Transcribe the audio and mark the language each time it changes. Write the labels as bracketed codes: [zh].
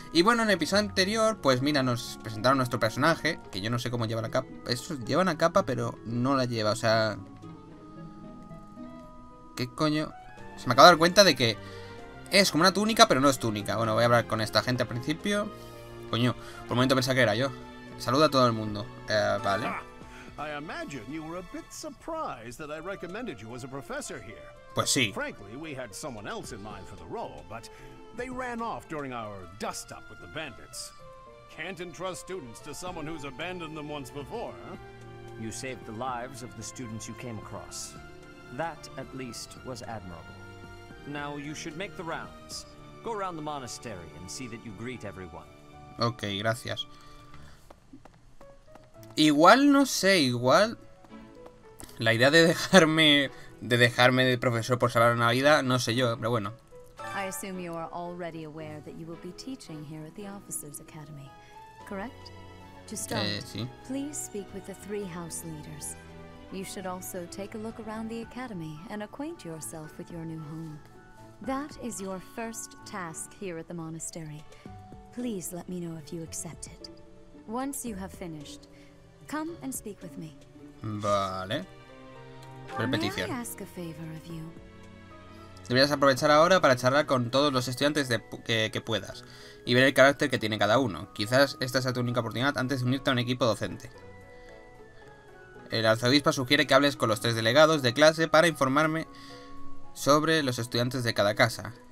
[es] Y bueno, en el episodio anterior, pues mira, nos presentaron nuestro personaje. Que yo no sé cómo lleva la capa. Eso lleva una capa, pero no la lleva, o sea... ¿Qué coño? Se me acaba de dar cuenta de que es como una túnica, pero no es túnica. Bueno, voy a hablar con esta gente al principio. Coño, por un momento pensaba que era yo. Saluda a todo el mundo. Vale. [en] I imagine you were a bit surprised that I recommended you as a professor here. [es] Pues sí. [en] Frankly, we had someone else in mind for the role, but they ran off during our dust-up with the bandits. Can't entrust students to someone who's abandoned them once before, huh? You saved the lives of the students you came across. That, at least, was admirable. Now, you should make the rounds. Go around the monastery and see that you greet everyone. [es] Okay, gracias. Igual, no sé, igual... La idea de dejarme... De dejarme de profesor por salvar una vida, no sé yo, pero bueno. [en] I assume you are already aware that you will be teaching here at the Officers Academy, correct? To start, please speak with the three house leaders. You should also take a look around the academy and acquaint yourself with your new home. That is your first task here at the monastery. Please let me know if you accept it. Once you have finished, come and speak with me. [es] Vale. Repetición. [en] May I ask a favor of you? [es] Deberías aprovechar ahora para charlar con todos los estudiantes que puedas y ver el carácter que tiene cada uno. Quizás esta sea tu única oportunidad antes de unirte a un equipo docente. El arzobispo sugiere que hables con los tres delegados de clase para informarme sobre los estudiantes de cada casa.